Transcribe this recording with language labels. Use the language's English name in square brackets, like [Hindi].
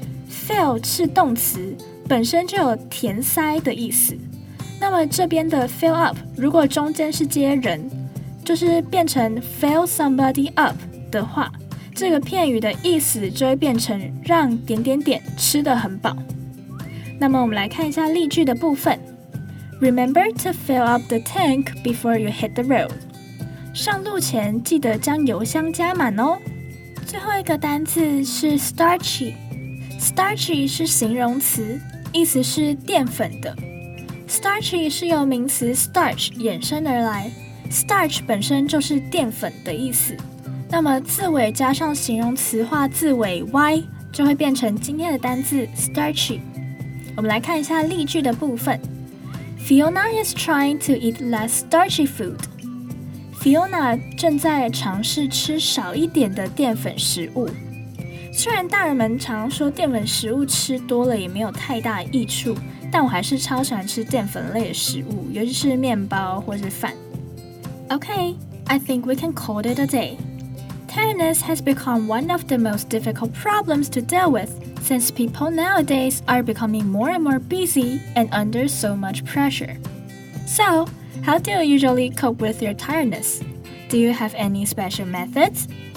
[Chinese] fill 是动词，本身就有填塞的意思。那么这边的 fill up 如果中间是接人，就是变成 fill somebody up 的话，这个片语的意思就会变成让点点点吃得很饱。那么我们来看一下例句的部分。 [English] Remember to fill up the tank before you hit the road. [Chinese] 上路前记得将油箱加满哦。最后一个单字是 starchy， Starchy 是形容词，意思是淀粉的。 Starchy 是由名词 starch 衍生而来， starch 本身就是淀粉的意思。那么字尾加上形容词化字尾 y， 就会变成今天的单字 starchy。我们来看一下例句的部分。 [English] Fiona is trying to eat less starchy food。 Fiona 正在尝试吃少一点的淀粉食物。 [Chinese] 虽然大人们常说淀粉食物吃多了也没有太大益处，但我还是超喜欢吃淀粉类的食物，尤其是面包或是饭。 [English] Okay, I think we can call it a day. Tiredness has become one of the most difficult problems to deal with since people nowadays are becoming more and more busy and under so much pressure. So, how do you usually cope with your tiredness? Do you have any special methods?